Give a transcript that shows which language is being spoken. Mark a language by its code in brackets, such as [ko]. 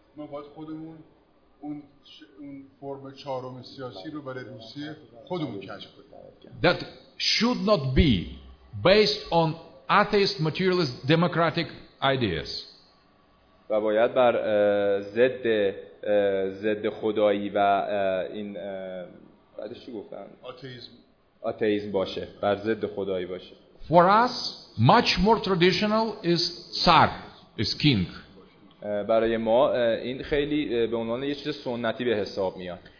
[fa] باید خودمون اون فرم چهارم سیاسی رو برای روسیه خودمون کشف کنیم. [en] That should not be based on atheist, materialist, democratic ideas. [fa] و باید بر ضد ضد خدایی و این بعدش چی گفتن؟ آتئیسم باشه، بر ضد خدایی باشه. [en] For us much more traditional is tsar, is king. [fa] برای ما این خیلی به عنوان یه چیز سنتی به حساب میاد.